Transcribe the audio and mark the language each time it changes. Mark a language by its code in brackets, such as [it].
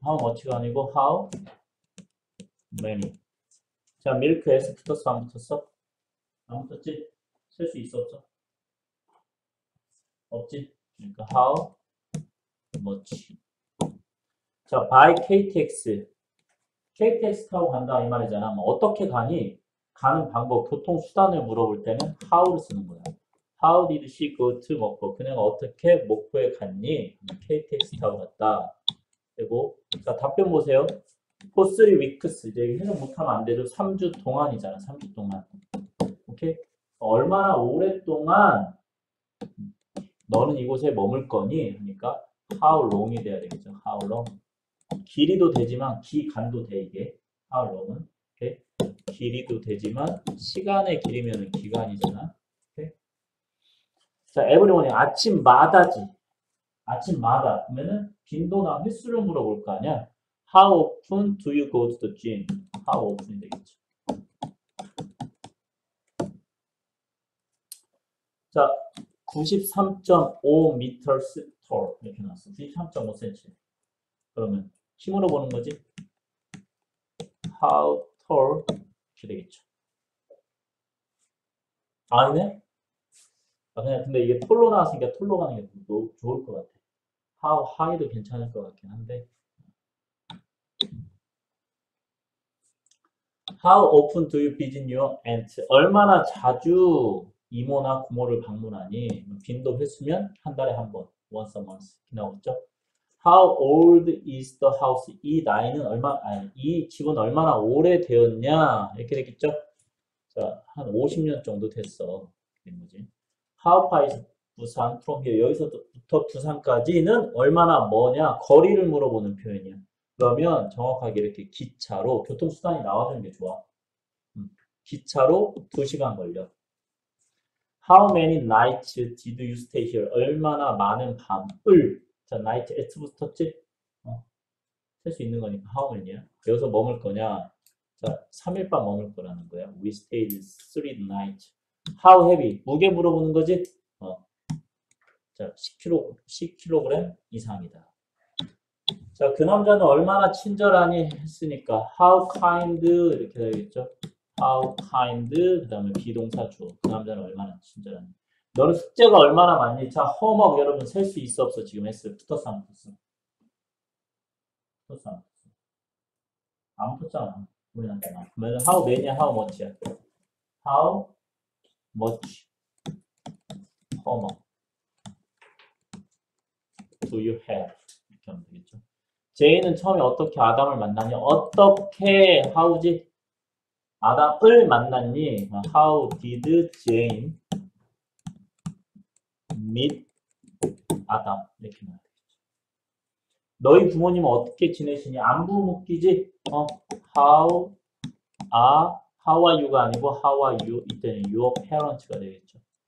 [en] How much가 아니고 how many. [ko] 자, 밀크 S 붙었어? 안 붙었어? 안 붙었지? 셀수 있었죠? 없지? 그러니까 how much. 자, by KTX. KTX 타고 간다 이 말이잖아. 뭐 어떻게 가니? 가는 방법, 교통수단을 물어볼 때는 how를 쓰는 거야. [en] How did she go to 목포? [ko] 그냥 어떻게 목포에 갔니? KTX 타고 갔다. 그리고 자, 답변 보세요. [en] For 3 weeks. [ko] 이제 해석 못하면 안 되죠. 3주 동안이잖아. 3주 동안. 오케이? 얼마나 오랫동안 너는 이곳에 머물 거니? 하니까 How long이 돼야 되겠죠. [en] How long. [ko] 길이도 되지만 기간도 돼 이게. How long은. 오케이? 길이도 되지만 시간의 길이면 기간이잖아. 자, everyone이 아침마다지. 아침마다. 그러면은 빈도나 횟수를 물어볼 거 아니야? [en] How often do you go to the gym? [ko] How often이 되겠죠. 자, 93.5m tall. 이렇게 나왔어. 93.5cm. 그러면 힘으로 보는 거지? [en] How tall? [ko] 이렇게 되겠죠. 아니네? 아, 그냥 근데 이게 톨로 나왔으니까 톨로 가는 게더 좋을 것 같아. How high도 괜찮을 것 같긴 한데. [en] How often do you visit your aunt? [ko] 얼마나 자주 이모나 고모를 방문하니? 빈도 횟수면 한 달에 한 번. [en] Once a month. [ko] 나왔죠? [en] How old is the house? [ko] 이 나이는 얼마, 아니, 이 집은 얼마나 오래되었냐? 이렇게 되겠죠? 자, 한 50년 정도 됐어. 뭐지? [en] How far is Busan from here? [ko] 여기서부터 부산까지는 얼마나 머냐? 거리를 물어보는 표현이야. 그러면 정확하게 이렇게 기차로, 교통수단이 나와주는 게 좋아. 기차로 2시간 걸려. [en] How many nights did you stay here? [ko] 얼마나 많은 밤을. 자, night, s부터 찍. 셀수 있는 거니까 how many야? 여기서 머물 거냐? 자, 3일 밤 머물 거라는 거야. [en] We stayed 3 nights. How heavy? [ko] 무게 물어보는 거지? 자, 10kg 이상이다. 자, 그 남자는 얼마나 친절하니? 했으니까. [en] How kind? [ko] 이렇게 되겠죠? How kind? 그 다음에 비동사 주어. 그 남자는 얼마나 친절하니? 너는 숙제가 얼마나 많니? 자, homework 여러분 셀수 있어 없어? 지금 했어. 붙었어? 안 붙었어? 붙었어? 안 붙었어? 안 붙잖아. 우리한테만. [en] 그러면 how many, how much야? How? Much homework do you have? [ko] 이렇게 하면 되겠죠. 제이는 처음에 어떻게 아담을 만났냐? 어떻게 하우지? 아담을 만났니? [en] How did Jane meet Adam? [ko] 이렇게 하면 되겠죠. 너희 부모님은 어떻게 지내시니? 안부 묻기지? How are you가 아니고 how are you? 이때는 your parents가 되겠죠.